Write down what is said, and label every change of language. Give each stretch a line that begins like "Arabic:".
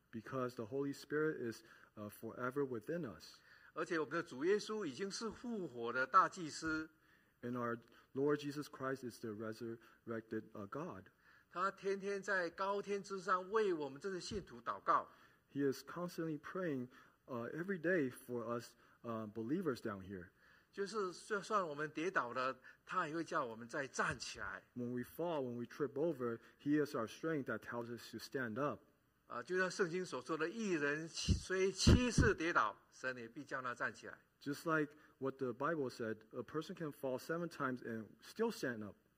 English: Because the Holy Spirit is forever within us.
Chinese: 而且我们的主耶稣已经是复活的大祭司。
English: And our Lord Jesus Christ is the resurrected God.
Chinese: 他天天在高天之上为我们这些信徒祷告。
English: He is constantly praying every day for us believers down here.
Chinese: 就是就算我们跌倒了，他也会叫我们再站起来。
English: When we fall, when we trip over, He is our strength that tells us to stand up.
Chinese: 就像圣经所说的，一人虽七次跌倒，神也必叫他站起来。
English: Just like what the Bible said, a person can fall seven times and still stand up.